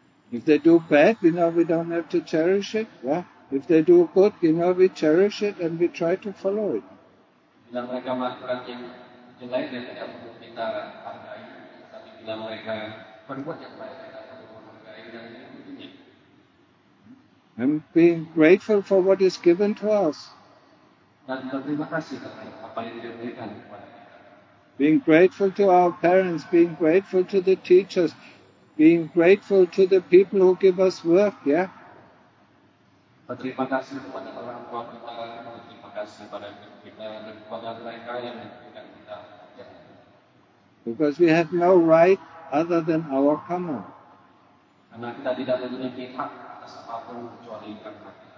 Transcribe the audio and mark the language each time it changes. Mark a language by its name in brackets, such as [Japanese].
[English] If they do bad, you know, we don't have to cherish it. Yeah? If they do good, you know, we cherish it and we try to follow it. [Indonesian] Bila mereka melakukan yang jelek, dan tidak perlu kita hargai. Tapi bila mereka berbuat yang baik, kita perlu menghargai dan mengikutinya. [English] And being grateful for what is given to us. [Indonesian] Dan berterima kasih kepada apa yang diberikan kepada kita. [English] Being grateful to our parents, being grateful to the teachers, being grateful to the people who give us work, yeah? [Indonesian] Berterima kasih kepada orang tua kita, berterima kasih kepada kita dan kepada mereka yang memberikan kita kerja. [English] Because we have no right other than our karma. [Indonesian] Karena kita tidak memiliki hak atas apapun kecuali karma.